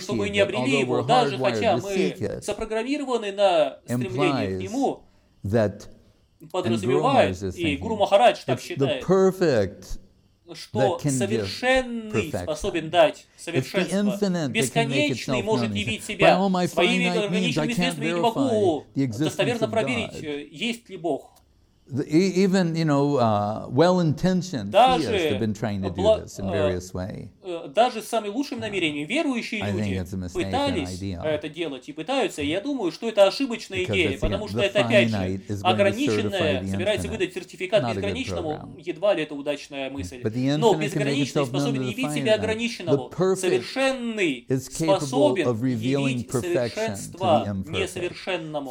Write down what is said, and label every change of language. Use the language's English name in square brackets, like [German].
[Russian] что мы не обрели его, даже хотя мы сопрограммированы на стремление к нему, подразумевает, и Гуру Махарадж так считает, что совершенный способен дать совершенство. Бесконечный может явить себя. Своими ограниченными средствами я не могу достоверно проверить, есть ли Бог. [English] Even, you know, well-intentioned theists have been trying to do this in various ways. [Russian] Даже с самыми лучшими намерениями верующие люди пытались это делать и пытаются. И я думаю, что это ошибочная идея, потому что это, опять же, ограниченное собирается выдать сертификат безграничному, едва ли это удачная мысль. Но безграничный способен явить себя ограниченному. Совершенный способен явить совершенство несовершенному.